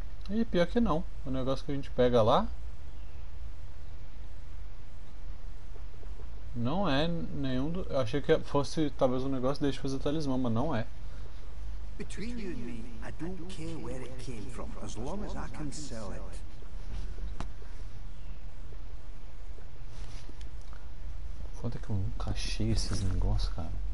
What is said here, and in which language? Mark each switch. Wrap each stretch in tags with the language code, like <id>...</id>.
<pt>E pior que não, o negócio que a gente pega lá não é nenhum do... Eu achei que fosse talvez um negócio deixa fazer talismã, mas não é.</pt> <en>Between you and me, I don't care where it came from, as long as I can sell it.</en> <pt>Quanto é que eu nunca achei esses negócios, cara?</pt>